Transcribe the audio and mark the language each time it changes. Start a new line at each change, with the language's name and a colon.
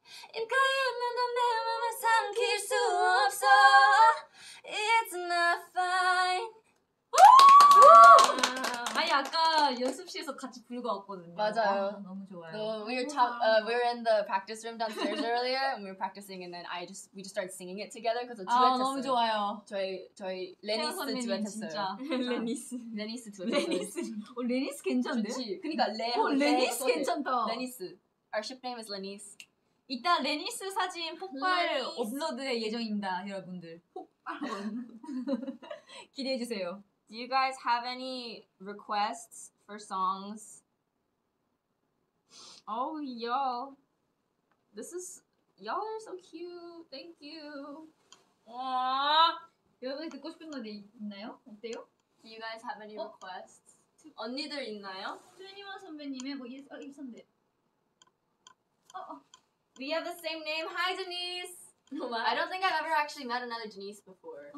Korean: 입가에 있는 내 맘을 삼킬 수 없어.
English: It's not fine.
Korean: 아니 아까 연습실에서 같이 불고 왔거든요. 맞아요. 아, 너무 좋아요.
English: So, we were in the practice room downstairs earlier and we were practicing and then we just started singing it together because it's
Korean: 아, 너무 좋아요. 저희 레니스 듀엣했어요. 레니스 듀엣. 레니스. 레니스 괜찮은데? 좋지. 그러니까 레니스 괜찮다.
English: 레니스. Our ship name is 레니스.
Korean: 이따 레니스 사진 폭발 업로드의 예정입니다, 여러분들. 폭발. 기대해 주세요.
English: Do you guys have any requests for songs? Oh, y'all. Y'all are so cute. Thank you. Aww.
Korean: 여러분이 듣고 싶은 노래 있나요? 어때요?
English: Do you guys have any requests?
Korean: 언니들 있나요? 21 선배님의 뭐 예스, 어, 예스인데.
English: We have the same name. Hi, Denise. I don't think I've ever actually met another Denise before.